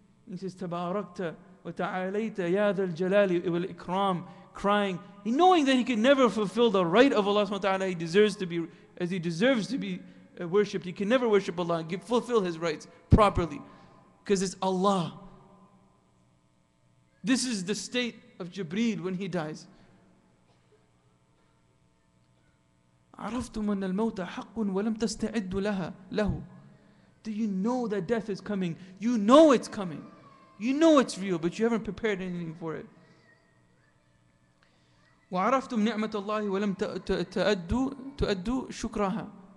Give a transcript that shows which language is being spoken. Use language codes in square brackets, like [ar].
[en] He says, Tabarakta wa ta'alayta ya dhal jalali wal ikram, crying, knowing that he can never fulfill the right of Allah subhanahu wa ta'ala, he deserves to be worshipped. He can never worship Allah and fulfill his rights properly because it's Allah. This is the state of Jibreel when he dies. [ar] عرفتم أن الموت حق ولم تستعد لها له. [en] Do you know that death is coming? You know it's coming. You know it's real, but you haven't prepared anything for it. [ar] وعرفتم نعمة الله ولم تؤدوا شكرها.